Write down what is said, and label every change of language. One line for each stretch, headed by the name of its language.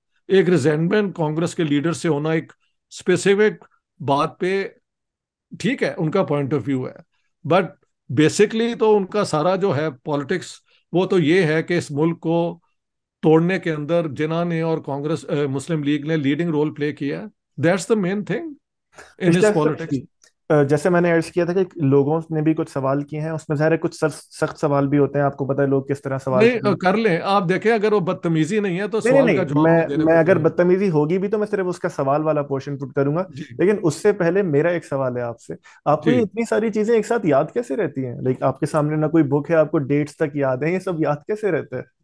Urdu: ایک ریزینٹمنٹ کانگریس کے لیڈر سے ہونا ایک اسپیسیفک بات پہ, ٹھیک ہے ان کا پوائنٹ آف ویو ہے, بٹ بیسکلی تو ان کا سارا جو ہے پالیٹکس وہ تو یہ ہے کہ اس ملک کو توڑنے کے اندر جناح نے اور کانگریس مسلم لیگ نے لیڈنگ رول پلے کیا ہے.
English: That's the main thing in his politics.
Urdu: جیسے میں نے ارز کیا تھا کہ لوگوں نے بھی کچھ سوال کیے ہیں, اس میں ظاہر ہے کچھ سخت سوال بھی ہوتے ہیں. آپ کو پتا ہے لوگ کس طرح سوال کر لیں. آپ دیکھیں اگر وہ بدتمیزی نہیں ہے تو سوال کا میں اگر بدتمیزی ہوگی بھی تو میں صرف اس کا سوال والا پورشن پٹ کروں گا. لیکن اس سے پہلے میرا ایک سوال ہے آپ سے, آپ کو اتنی ساری چیزیں ایک ساتھ یاد کیسے رہتی ہیں؟ لائک آپ کے سامنے نہ کوئی بک ہے, آپ کو ڈیٹس تک یاد ہیں, یہ سب یاد کیسے رہتا ہے؟